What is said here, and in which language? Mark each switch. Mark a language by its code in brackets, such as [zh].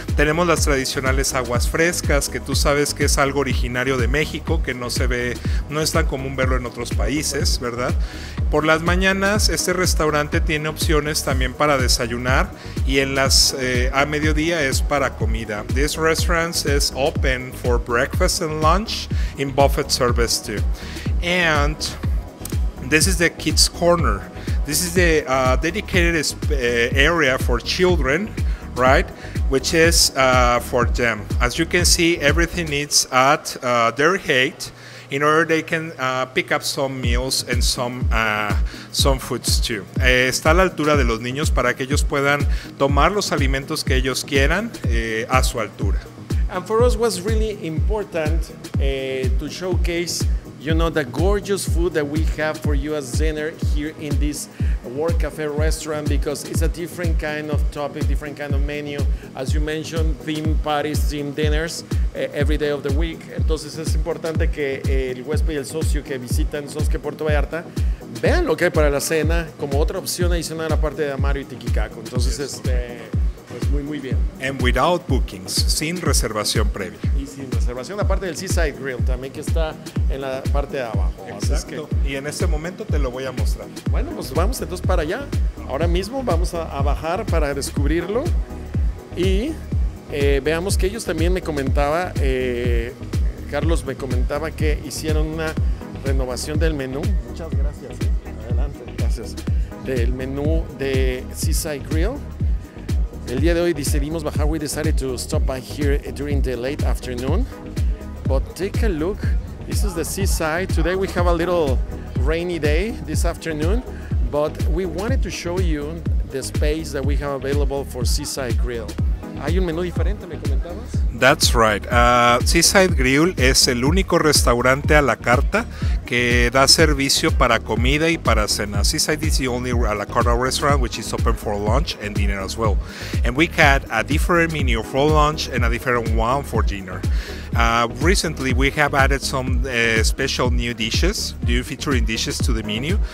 [es] Tenemos las tradicionales aguas frescas, que tú sabes que es algo originario de México, que no se ve, no es tan común verlo en otros países, ¿verdad? Por las mañanas, este restaurante tiene opciones también para desayunar y en las a mediodía es para comida. [en] This restaurant is open for breakfast and lunch in buffet service too. And this is the kids' corner. This is the dedicated area for children, right? Which is for them. As you can see, everything is at their height in order they can pick up some meals and some foods too. [es] Está a la altura de los niños para que ellos puedan tomar los alimentos que ellos quieran a su altura. [en] And for us was really important to showcase, you know, the gorgeous food that we have for you as dinner here in this World Cafe restaurant, because it's a different kind of topic, different kind of menu. As you mentioned, theme parties, theme dinners, every day of the week. [es] Entonces es importante que el huésped y el socio que visitan Sosque Puerto Vallarta vean lo que hay para la cena como otra opción adicional aparte de Amaro y Tiquicaco. Entonces, yes, pues muy, muy bien. [en] And without bookings, [es] sin reservación previa. Y sin reservación, aparte del Seaside Grill, también que está en la parte de abajo. Exacto. Así es que... Y en este momento te lo voy a mostrar. Bueno, pues vamos entonces para allá. Ahora mismo vamos a bajar para descubrirlo. Y veamos que ellos también me comentaba, Carlos me comentaba que hicieron una renovación del menú. Muchas gracias. Adelante. Gracias. Del menú de Seaside Grill. El día de hoy decidimos bajar. [en] We decided to stop by here during the late afternoon. But take a look. This is the seaside. Today we have a little rainy day this afternoon. But we wanted to show you the space that we have available for Seaside Grill. [es] ¿Hay un menú diferente, me comentabas? [en] That's right. [es] Seaside Grill es el único restaurante a la carta que da servicio para comida y para cena. [en] Seaside is the only a la carta restaurant which is open for lunch and dinner as well. And we had a different menu for lunch and a different one for dinner. Recently, we have added some special new dishes, new featuring dishes to the menu.